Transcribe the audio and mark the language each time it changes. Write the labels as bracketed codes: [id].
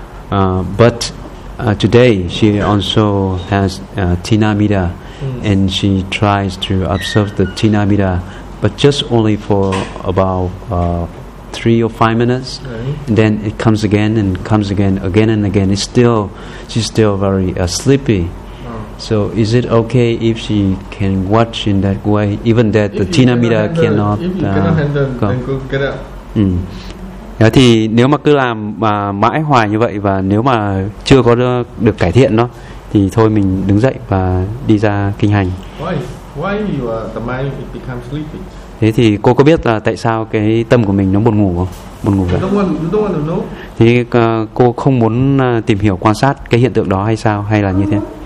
[en] But today, she also has Tinamita, and she tries to observe the Tinamita, but just only for about 3 or 5 minutes, and then it comes again and comes again and again. She's still very sleepy. So is it okay if she can watch in that way, even that the Tinamita cannot get up? [vi] Thì nếu mà cứ làm mãi hoài như vậy và nếu mà chưa có được cải thiện nó, thì thôi mình đứng dậy và đi ra kinh hành. [en] Why you are the mind it becomes sleepy? [vi] Thế thì cô có biết là tại sao cái tâm của mình nó buồn ngủ không? Buồn ngủ vậy? Thì cô không muốn tìm hiểu quan sát cái hiện tượng đó hay sao? Hay là như thế?